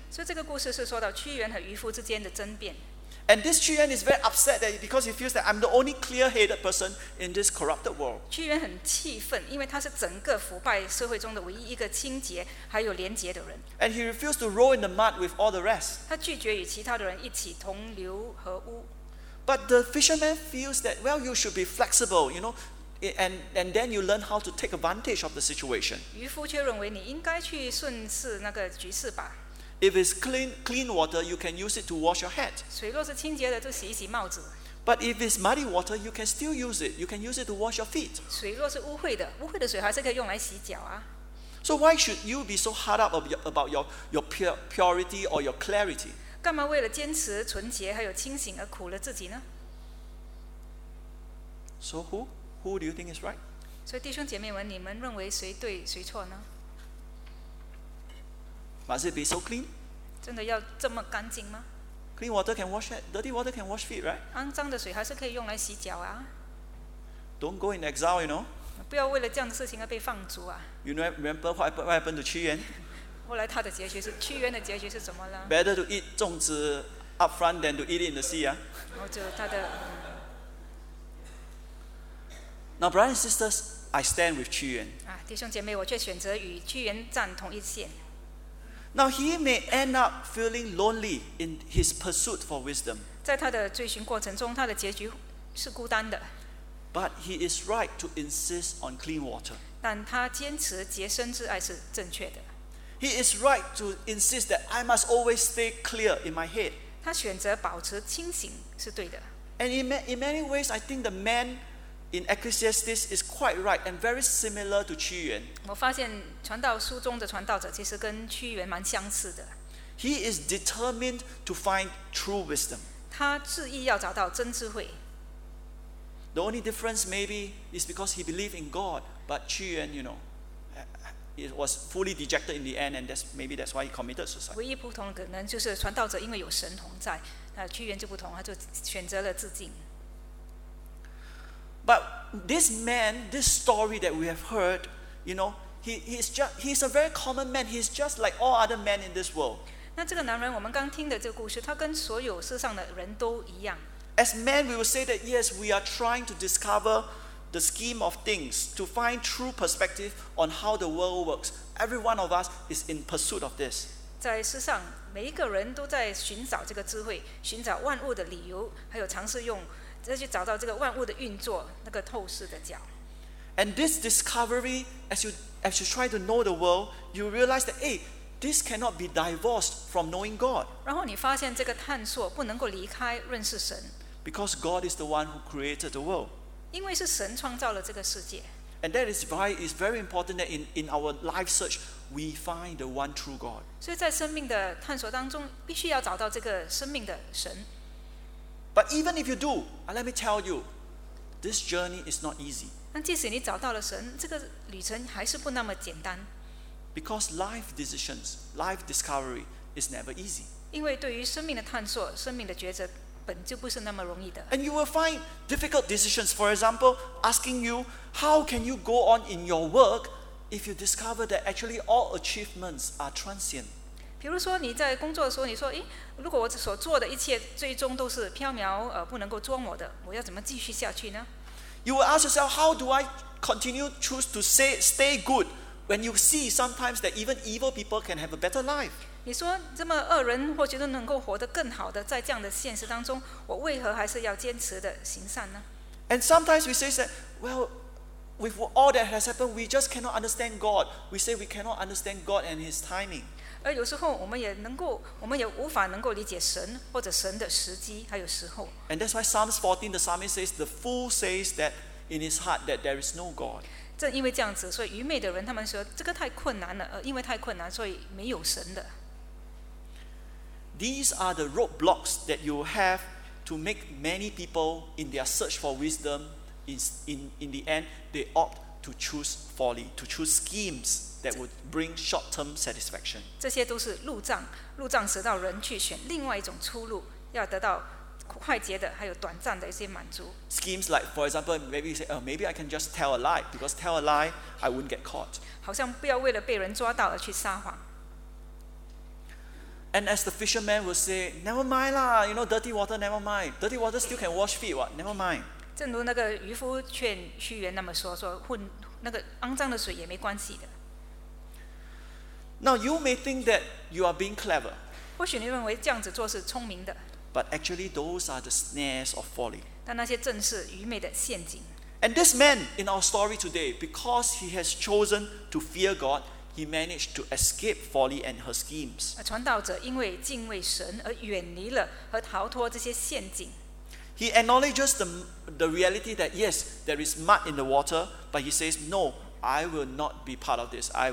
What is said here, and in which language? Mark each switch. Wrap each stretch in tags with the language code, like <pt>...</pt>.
<zh>所以这个故事是说到屈原和渔夫之间的争辩。</zh> <en>And this Qu Yuan is very upset that because he feels that I'm the only clear-headed person in this corrupted world.</en> <zh>屈原很气愤，因为他是整个腐败社会中的唯一一个清洁还有廉洁的人。</zh> <en>And he refused to roll in the mud with all the rest.</en> <zh>他拒绝与其他的人一起同流合污。</zh> <en>But the fisherman feels that, well, you should be flexible, you know, and then you learn how to take advantage of the situation.</en> <zh>渔夫却认为你应该去顺势那个局势吧。</zh> <en>If it's clean water, you can use it to wash your head.</en> <zh>水若是清洁的，就洗一洗帽子。</zh> <en>But if it's muddy water, you can still use it. You can use it to wash your feet.</en> <zh>水若是污秽的，污秽的水还是可以用来洗脚啊。</zh> <en>So why should you be so hard up about your purity or your clarity?</en> <zh>干嘛为了坚持纯洁还有清醒而苦了自己呢？</zh> <en>So who do you think is right?</en> <zh>所以弟兄姐妹们，你们认为谁对谁错呢？</zh> <en>Must it be so clean?</en> <zh>真的要这么干净吗？</zh> <en>Clean water can wash head. Dirty water can wash feet, right?</en> <zh>肮脏的水还是可以用来洗脚啊。</zh> <en>Don't go in exile, you know?</en> <zh>不要为了这样的事情而被放逐啊。</zh> <en>You remember what happened to Qu Yuan?</en> <zh>后来他的结局是，屈原的结局是什么呢？</zh> <en>Better to eat 粽子 up front than to eat it in the sea,</en> <zh>然后就他的。</zh> <en>Now, brothers and sisters, I stand with Qu Yuan.</en> <zh>弟兄姐妹，我却选择与屈原站同一线。</zh> <en>Now he may end up feeling lonely in his pursuit for wisdom.</en> <zh>在他的追寻过程中，他的结局是孤单的。</zh> <en>But he is right to insist on clean water.</en> <zh>但他坚持洁身自爱是正确的。</zh> <en>He is right to insist that I must always stay clear in my head.</en> <zh>他选择保持清醒是对的。</zh> <en>And in many ways, I think the man in Ecclesiastes is quite right and very similar to 屈原。</en> <zh>我发现传道书中的传道者其实跟屈原蛮相似的。</zh> <en>He is determined to find true wisdom.</en> <zh>他执意要找到真智慧。</zh> <en>The only difference maybe is because he believed in God, but 屈原, you know,He was fully dejected in the end, and that's, maybe that's why he committed suicide.</en> <zh>唯一不同的可能就是传道者因为有神同在，那屈原就不同，他就选择了自尽。</zh> <en>But this man, this story that we have heard, you know, he's a very common man. He's just like all other men in this world.</en> <zh>那这个男人，我们刚听的这个故事，他跟所有世上的人都一样。</zh> <en>As men, we will say that yes, we are trying to discover. The scheme of things to find true perspective on how the world works. Every one of us is in pursuit of this.</en> <zh>在世上，每一个人都在寻找这个智慧，寻找万物的理由，还有尝试用再去找到这个万物的运作那个透视的角。</zh> <en>And this discovery, as you try to know the world, you realize that this cannot be divorced from knowing God.</en> <zh>然后你发现这个探索不能够离开认识神。</zh> <en>Because God is the one who created the world.</en> <zh>因为是神创造了这个世界。</zh> <en>And that is why it's very important that in our life search, we find the one true God.</en> <zh>所以在生命的探索当中，必须要找到这个生命的神。</zh> <en>But even if you do, let me tell you, this journey is not easy.</en> <zh>但即使你找到了神，这个旅程还是不那么简单。</zh> <en>Because life decisions, life discovery is never easy.</en> <zh>因为对于生命的探索，生命的抉择本就不是那么容易的。</zh> <en>And you will find difficult decisions. For example, asking you, how can you go on in your work if you discover that actually all achievements are transient?</en> <zh>比如说你在工作的时候，你说，如果我所做的一切最终都是飘渺，不能够捉摸的，我要怎么继续下去呢？</zh> <en>You will ask yourself, how do I continue choose to stay good when you see sometimes that even evil people can have a better life?</en> <zh>你说这么恶人或许都能够活得更好的，在这样的现实当中，我为何还是要坚持的行善呢？</zh> <en>And sometimes we say that, well, with all that has happened, we just cannot understand God. We say we cannot understand God and His timing.</en> <zh>而有时候我们也无法能够理解神或者神的时机还有时候。</zh> <en>And that's why Psalms 14, the psalmist says, the fool says that in his heart that there is no God.</en> <zh>正因为这样子，所以愚昧的人他们说这个太困难了，因为太困难，所以没有神的。</zh> <en>These are the roadblocks that you have to make many people in their search for wisdom. In the end, they opt to choose folly, to choose schemes that would bring short-term satisfaction.</en> <zh>这些都是路障使到人去选另外一种出路，要得到快捷的，还有短暂的一些满足。</zh> <en>Schemes like, for example, maybe you say, maybe I can just tell a lie because tell a lie, I wouldn't get caught.</en> <zh>好像不要为了被人抓到而去撒谎。</zh> <en>And as the fisherman will say, never mind lah, you know, dirty water, never mind. Dirty water still can wash feet, what? Never mind.</en> <zh>正如那个渔夫劝屈原那么说，说混那个肮脏的水也没关系的。</zh> <en>Now you may think that you are being clever.</en> <zh>或许你认为这样子做是聪明的。</zh> <en>But actually, those are the snares of folly.</en> <zh>但那些正是愚昧的陷阱。</zh> <en>And this man in our story today, because he has chosen to fear God,He managed to escape folly and her schemes.</en> <zh>传道者因为敬畏神而远离了和逃脱这些陷阱。</zh> <en>He acknowledges the reality that yes, there is mud in the water, but he says no, I will not be part of this.</en>